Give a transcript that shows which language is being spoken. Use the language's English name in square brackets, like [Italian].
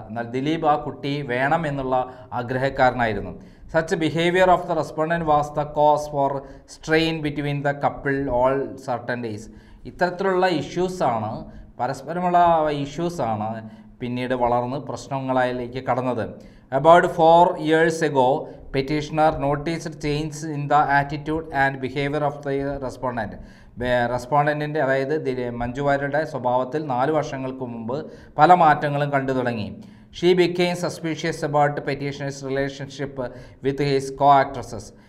[Malayalam] എന്നാൽ ദിലീപ് ആ കുട്ടി വേണം എന്നുള്ള ആഗ്രഹക്കാരനായിരുന്നു. [English] Such behaviour of the respondent was the cause for strain between the couple all certain days. [Malayalam] ഇത്തരത്തിലുള്ള ഇഷ്യൂസാണ്, പരസ്പരമുള്ള ഇഷ്യൂസാണ് പിന്നീട് വളർന്ന് പ്രശ്നങ്ങളിലേക്ക് കടന്നത്. [English] About 4 years ago, petitioner noticed changes in the attitude and behavior of the respondent. [Malayalam] റെസ്പോണ്ടൻറ്റിൻ്റെ, അതായത് മഞ്ജു വാര്യരുടെ സ്വഭാവത്തിൽ 4 വർഷങ്ങൾക്ക് മുമ്പ് പല മാറ്റങ്ങളും കണ്ടു തുടങ്ങി. [English] She became suspicious about petitioner's relationship with his co actresses.